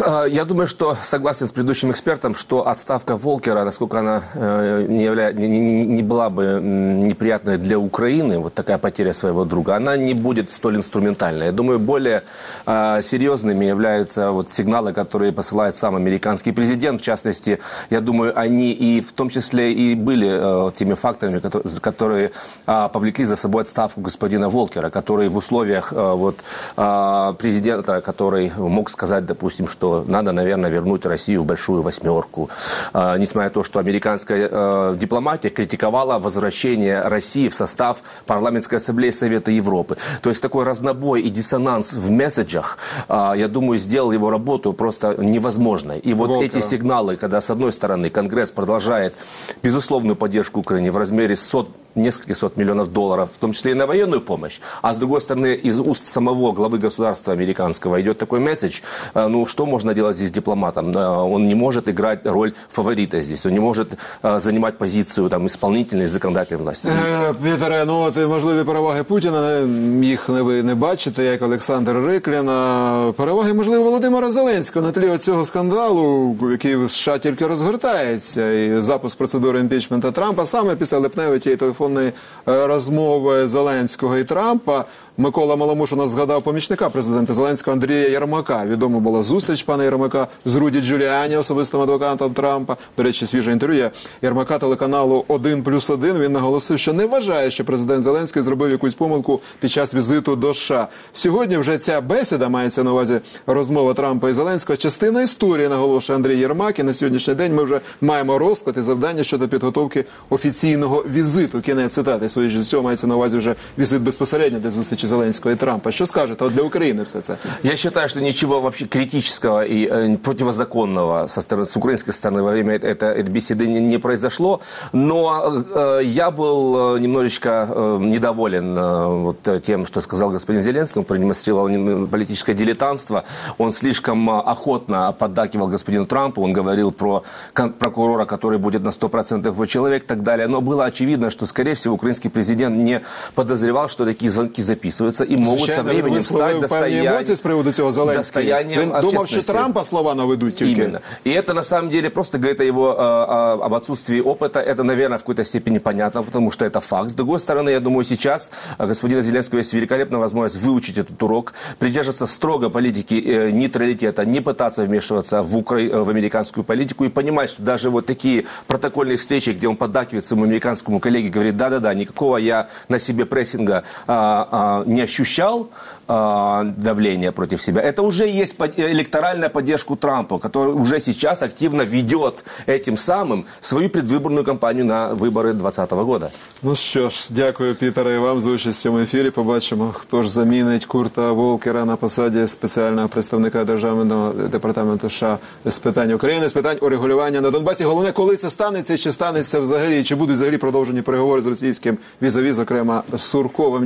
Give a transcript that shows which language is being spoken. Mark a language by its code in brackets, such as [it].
[uk] Я думаю, що [ru] согласен з предыдущим [uk] експертом, що відставка Волкера, наскільки вона не була б неприятною для України, от така потеря свого друга, вона не буде столь інструментальна. Я думаю, більш серйозними являються сигнали, які посилає сам американський президент. В частності, я думаю, вони і в тому числі і були теми факторами, [ru] которые повлекли за собой отставку господина Волкера, который в условиях президента, который мог сказать, допустим, что надо, наверное, вернуть Россию в большую восьмерку. Несмотря на то, что американская дипломатия критиковала возвращение России в состав парламентской ассамблеи Совета Европы. То есть такой разнобой и диссонанс в месседжах, я думаю, сделал его работу просто невозможной. И вот Волкера. Эти сигналы, когда с одной стороны Конгресс продолжает безусловную поддержку Украине в размере нескольких сот миллионов долларов, в том числе и на военную помощь. А с другой стороны, из уст самого главы государства американского идет такой месседж, ну что можно делать здесь дипломатом? Он не может играть роль фаворита здесь, он не может занимать позицию там исполнительной и законодательной власти. [uk] Пітере, ну от і можливі переваги Путіна, їх ви не бачите, як Олександр Риклін, а переваги, можливо, Володимира Зеленського на тлі оцього скандалу, який в США тільки розгортається, і запуск процедури імпічменту Трампа саме після липневої телефонної розмови Зеленського і Трампа. Микола Маломуш у нас згадав помічника президента Зеленського Андрія Єрмака. Відома була зустріч пана Єрмака з Руді Джуліані, особистим адвокатом Трампа. До речі, свіже інтерв'ю Єрмака телеканалу 1+1. Він наголосив, що не вважає, що президент Зеленський зробив якусь помилку під час візиту до США. Сьогодні вже ця бесіда, мається на увазі розмова Трампа і Зеленського, частина історії, наголошує Андрій Єрмак. І на сьогоднішній день ми вже маємо розклад і завдання щодо підготовки офіційного візиту. Кінець цитати. Своє ж цього мається на увазі вже візит безпосередньо для зустрічі чи Зеленського і Трампа. Що скажете для України все це? Я вважаю, що нічого [ru] вообще критичного і противозаконного со стороны, с української сторони во время этой беседы не произошло. Но я был немножечко недоволен тем, что сказал господин Зеленский. Он продемонстрировал политическое дилетантство. Он слишком охотно поддакивал господину Трампу. Он говорил про прокурора, который будет на 100% его человек и так далее. Но было очевидно, что, скорее всего, украинский президент не подозревал, что такие звонки записаны. [uk] І можуть [ru] со временем [uk] стати достоянням. Він думав, що Трампа слова наведуть тільки. [ru] Именно. [uk] І це, [ru] на самом деле, просто говорить о його об отсутствии опыта. Это, наверное, в какой-то степени понятно, потому что это факт. С другой стороны, я думаю, сейчас господина Зеленского есть великолепная возможность выучить этот урок, придерживаться строго политики нейтралитета, не пытаться вмешиваться в американскую политику и понимать, что даже вот такие протокольные встречи, где он поддакивает своему американскому коллеге, говорит, говорит, да-да-да, никакого я на себе прессинга не ощущал, давления против себя. Это уже есть электоральная поддержка Трампа, который уже сейчас активно ведет этим самым свою предвыборную кампанию на выборы 2020 года. [uk] Ну що ж, дякую, Пітере, і вам за участь в цьому ефірі. Побачимо, хто ж замінить Курта Волкера на посаді спеціального представника Державного департаменту США з питань України, з питань урегулювання на Донбасі. Головне, коли це станеться, чи станеться взагалі, чи будуть взагалі продовжені переговори з російським візаві, зокрема Сурковим.